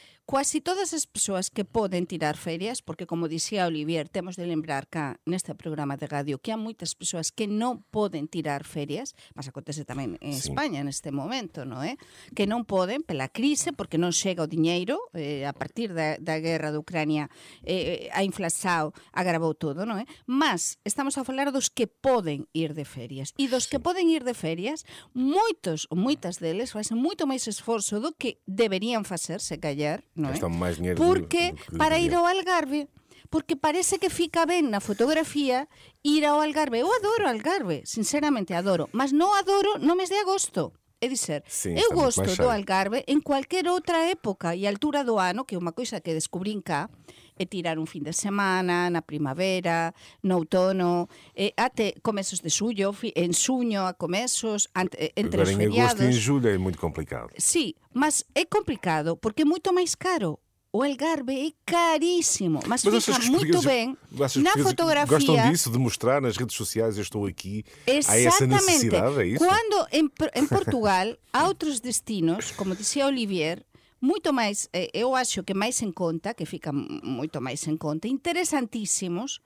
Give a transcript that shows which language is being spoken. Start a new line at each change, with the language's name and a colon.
Portuguese: Quase todas as pessoas que podem tirar férias, porque como dizia Olivier, temos de lembrar cá neste programa de rádio que há muitas pessoas que não podem tirar férias, mas acontece também em Espanha neste momento, não é? Que não podem pela crise, porque não chega o dinheiro, a partir da guerra da Ucrânia, a inflação agravou tudo, não é? Mas estamos a falar dos que podem ir de férias e dos
Galician: sí. que poden ir de ferias, moitos ou moitas deles facen moito máis esforzo do que deberían facer, se callar, non é? Están máis nervios. Porque para ir ao Algarve, porque parece que fica ben na fotografía ir ao Algarve. Eu adoro o Algarve, sinceramente adoro, mas non adoro no mes de agosto. É dizer, sí, eu gosto do Algarve en cualquier outra época e altura do ano, que é unha coisa que descubrín cá, é tirar un fin de semana, na primavera, no outono, até comezos de xullo, en xuño, a comezos, entre os feriados. Pero en agosto e en julho é moi complicado. Sí, mas é complicado, porque é moito máis caro.
Portuguese: O Algarve é carísimo, mas fica muito bem na fotografia. Gostam disso, de mostrar nas redes sociais, eu estou aqui, exatamente. Há essa necessidade, é isso? Quando em Portugal há outros destinos, como dizia Olivier, muito mais, eu acho que mais em conta, que fica muito mais em conta, interessantíssimos,